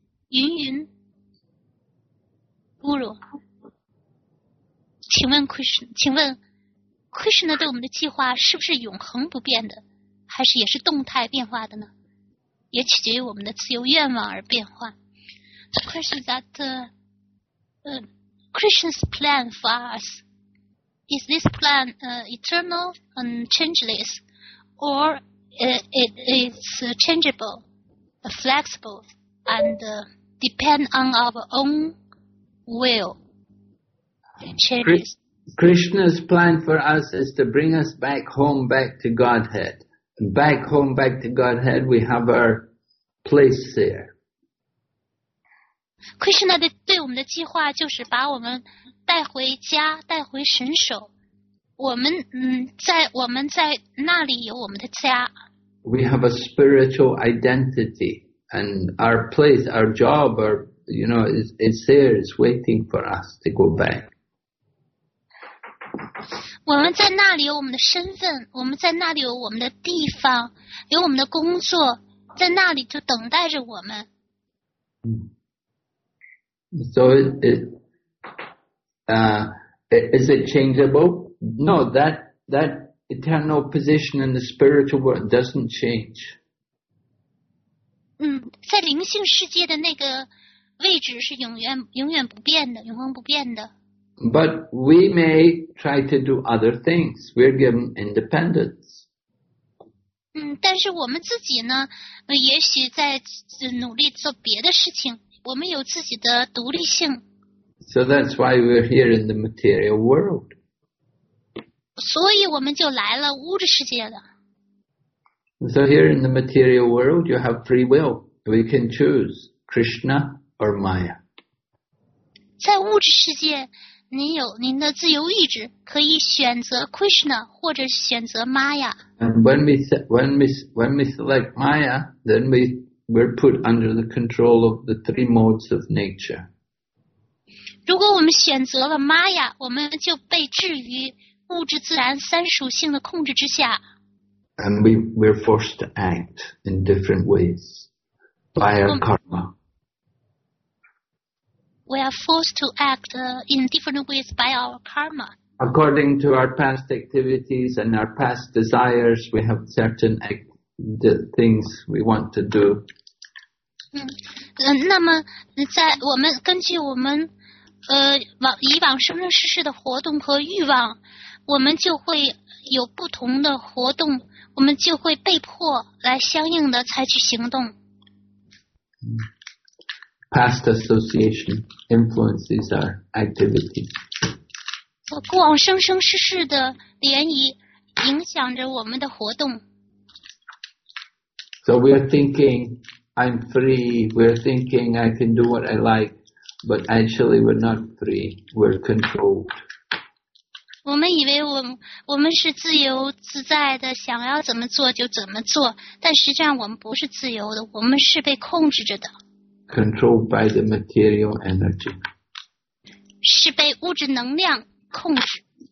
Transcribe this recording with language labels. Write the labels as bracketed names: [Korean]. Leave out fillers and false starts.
[Chinese] 云云。侮辱，请问 Krishna， 请问 Krishna 对我们的计划是不是永恒不变的，还是也是动态变化的呢？也取决于我们的自由愿望而变化。 [English] The question is that, Krishna's plan for us is this plan eternal and changeless, or it is changeable, flexible, and depend on our own. Will. Krishna's plan for us is to bring us back home, back to Godhead. Back home, back to Godhead, we have our place there. [Chinese] Krishna 对我们的计划就是把我们带回家，带回神手。我们在那里有我们的家。 [English] We have a spiritual identity, and our place, our job, our you know, it's there, it's waiting for us to go back. [Chinese] 我们在那里有我们的身份，我们在那里有我们的地方，有我们的工作，在那里就等待着我们。 [English] So is it changeable? No, that eternal position in the spiritual world doesn't change. [Chinese] 在灵性世界的那个位置是永远不变的，永恒不变的。 [English] But we may try to do other things. We're given independence. [Chinese] 但是我们自己呢，也许在努力做别的事情，我们有自己的独立性。 [English] So that's why we're here in the material world. [Chinese] 所以我们就来了物质世界了。 [English] So here in the material world, you have free will. We can choose Krishna or Maya. [Chinese] 在物质世界您有您的自由意志，可以选择 Krishna 或者选择 Maya。 [English] And when we select Maya, then we're put under the control of the three modes of nature. [Chinese] 如果我们选择了 Maya, 我们就被置于物质自然三属性的控制之下。 [English] And we're forced to act in different ways by our karma. We are forced to act in different ways by our karma. According to our past activities and our past desires, we have certain things we want to do. [Chinese] 那么在我们根据我们以往生生世世的活动和欲望，我们就会有不同的活动，我们就会被迫来相应的采取行动。 [English] Past association influences our activity. [Chinese] 过往生生世世的涟漪影响着我们的活动。 [English] So we are thinking I'm free. We are thinking I can do what I like, but actually we're not free. We're controlled. [Chinese] 我们以为我们是自由自在的，想要怎么做就怎么做，但实际上我们不是自由的，我们是被控制着的。 [English] Controlled by the material energy. [Chinese] 是被物质能量控制。